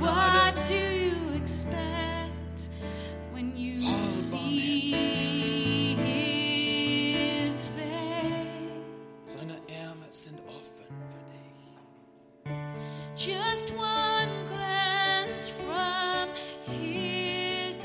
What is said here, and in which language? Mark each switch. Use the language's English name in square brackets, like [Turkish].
[English] What do you expect when you see his face? [German] Seine Arme sind offen für dich. [English] Just one glance from his